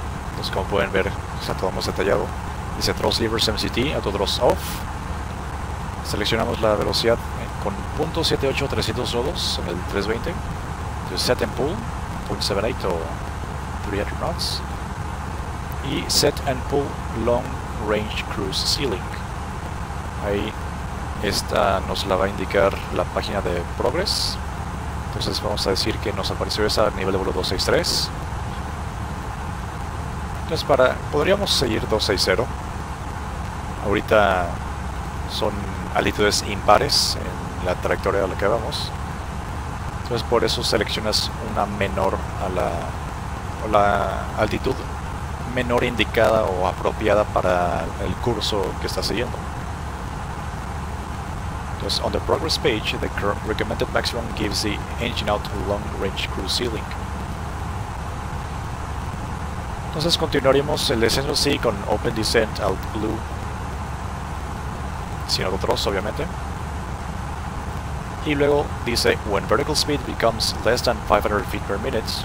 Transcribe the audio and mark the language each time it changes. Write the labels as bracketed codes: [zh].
[es] Entonces, como pueden ver, está todo más detallado. Dice Thrust Levers MCT, Auto Thrust Off. Seleccionamos la velocidad con 0.78 o 300 nodos en el 320. Entonces, Set and Pull, 0.78 o 300 knots. Y Set and Pull Long Range Cruise Ceiling. Ahí esta nos la va a indicar la página de Progress. Entonces vamos a decir que nos apareció esa a nivel de vuelo 263. Entonces para, podríamos seguir 260. Ahorita son altitudes impares en la trayectoria a la que vamos. Entonces por eso seleccionas una menor a la altitud menor indicada o apropiada para el curso que estás siguiendo. [en] Entonces, on the progress page, the recommended maximum gives the engine out long range cruise ceiling. [es] Entonces continuaremos el descenso así con open descent al blue. Sin otro trozo, obviamente. Y luego dice, [en] when vertical speed becomes less than 500 feet per minute.